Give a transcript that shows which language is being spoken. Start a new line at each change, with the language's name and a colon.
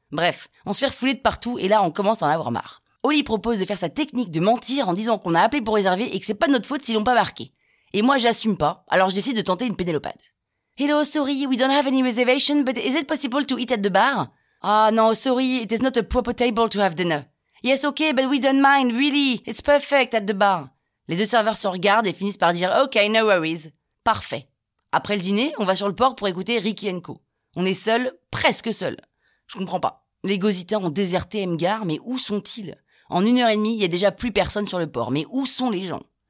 French: Bref, on se fait refouler de partout et là, on commence à en avoir marre. Oli propose de faire sa technique de mentir en disant qu'on a appelé pour réserver et que c'est pas de notre faute s'ils l'ont pas marqué. Et moi, j'assume pas, alors je décide de tenter une pénélopade.
English: Hello, sorry, we don't have any reservation, but is it possible to eat at the bar?
French: Ah, non,
English: sorry, it is not a proper table to have dinner. Yes, okay, but we don't mind, really, it's perfect at the bar.
French: Les deux serveurs se regardent et finissent par dire,
English: okay, no worries.
French: Parfait. Après le dîner, on va sur le port pour écouter Ricky & Co. On est seul, presque seul. Je comprends pas. Les gozitans ont déserté Mgar, mais où sont-ils? En une heure et demie, il y a déjà plus personne sur le port, mais où sont les gens?